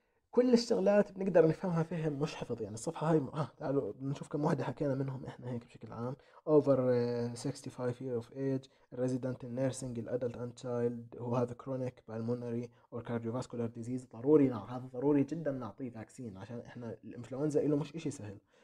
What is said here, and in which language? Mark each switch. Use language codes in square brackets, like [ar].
[ar] كل الشغلات بنقدر نفهمها فهم مش حفظ يعني. الصفحة هاي تعالوا نشوف كم واحدة حكينا منهم احنا هيك بشكل عام. [en] over 65 year of age، resident in nursing، adult and child who have chronic pulmonary or cardiovascular disease. [ar] ضروري نعم، هذا ضروري جدا نعطيه فاكسين عشان احنا الانفلونزا له مش اشي سهل.